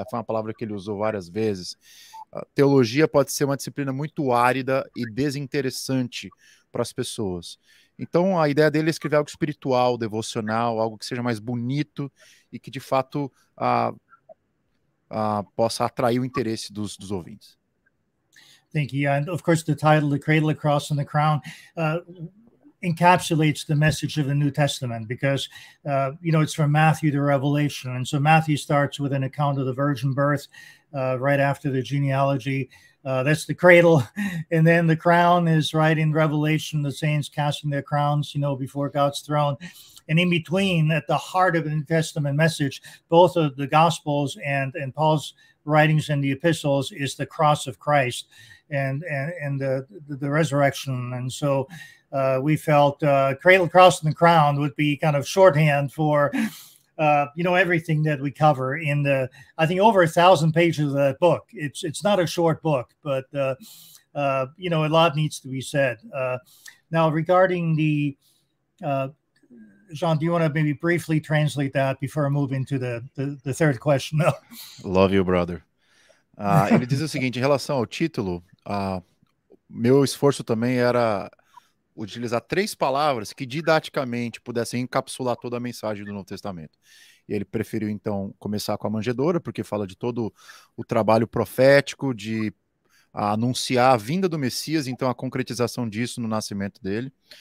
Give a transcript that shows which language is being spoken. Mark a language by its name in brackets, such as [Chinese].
[Portuguese] Foi uma palavra que ele usou várias vezes. Teologia pode ser uma disciplina muito árida e desinteressante para as pessoas. Então, a ideia dele é escrever algo espiritual, devocional, algo que seja mais bonito e que, de fato, possa atrair o interesse dos ouvintes. [English] Thank you. And of course, the title, The Cradle, the Cross, and the Crown, encapsulates the message of the New Testament because, you know, it's from Matthew to Revelation. And so Matthew starts with an account of the virgin birth right after the genealogy. That's the cradle. And then the crown is right in Revelation, the saints casting their crowns, you know, before God's throne. And in between, at the heart of the New Testament message, both of the Gospels and Paul's writings and the epistles is the cross of Christ and the resurrection. And so we felt cradle, cross, and the crown would be kind of shorthand for, you know, everything that we cover in the, I think, over 1,000 pages of that book. It's not a short book, but, you know, a lot needs to be said. Now, regarding the, John, do you want to maybe briefly translate that before I move into the third question? No. Love you, brother. [Portuguese] Ele diz o seguinte, em relação ao título, meu esforço também era utilizar três palavras que didaticamente pudessem encapsular toda a mensagem do Novo Testamento. E ele preferiu, então, começar com a manjedoura, porque fala de todo o trabalho profético, de anunciar a vinda do Messias, então a concretização disso no nascimento dele.